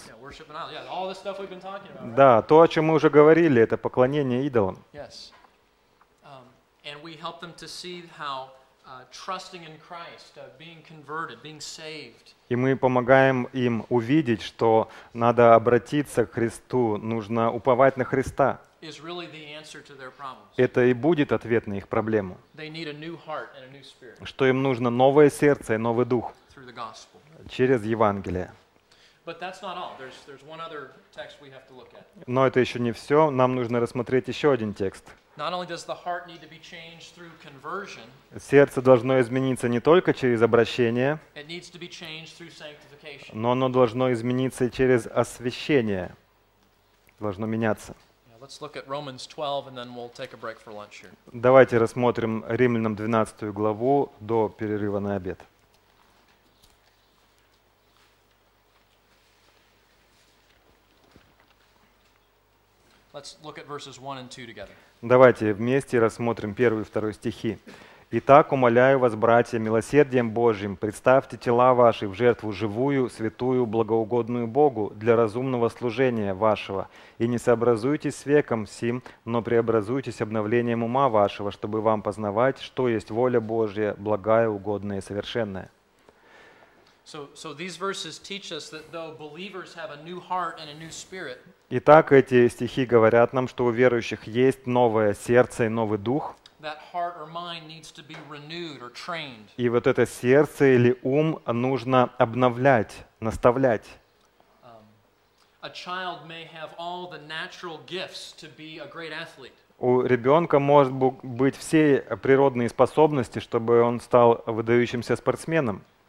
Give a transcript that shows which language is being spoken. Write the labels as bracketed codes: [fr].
[en] Yeah, worship and idols. Yeah, all this stuff we've been talking about, right? [ru] Да, то, о чем мы уже говорили, это поклонение идолам. [en] Yes. And we help them to see how trusting in Christ, being converted, being saved. [ru] И мы помогаем им увидеть, что надо обратиться к Христу, нужно уповать на Христа. [en] Is really the answer to their problems. [ru] Это и будет ответ на их проблему. [en] They need a new heart and a new spirit. [ru] Что им нужно новое сердце и новый дух. [en] Through the gospel. [ru] Через Евангелие. [en] But that's not all. There's one other text we have to look at. [ru] Но это еще не все. Нам нужно рассмотреть еще один текст. [en] Not only does the heart need to be changed through conversion. [ru] Сердце должно измениться не только через обращение. [en] It needs to be changed through sanctification. [ru] Но оно должно измениться через освящение. Должно меняться. [en] Yeah, let's look at Romans 12 and then we'll take a break for lunch here. [ru] Давайте рассмотрим Римлянам 12 главу до перерыва на обед. [en] Let's look at verses 1 and 2 together. [ru] Давайте вместе рассмотрим 1 и 2 стихи. «Итак, умоляю вас, братья, милосердием Божьим, представьте тела ваши в жертву живую, святую, благоугодную Богу для разумного служения вашего. И не сообразуйтесь с веком сим, но преобразуйтесь обновлением ума вашего, чтобы вам познавать, что есть воля Божья, благая, угодная и совершенная». [en] So these verses teach us that though believers have a new heart and a new spirit. [ru] Итак, эти стихи говорят нам, что у верующих есть новое сердце и новый дух. [en] That heart or mind needs to be renewed or trained. [ru] И вот это сердце или ум нужно обновлять, наставлять. [en] A child may have all the natural gifts to be a great athlete. [ru] У ребенка может быть все природные способности, чтобы он стал выдающимся спортсменом.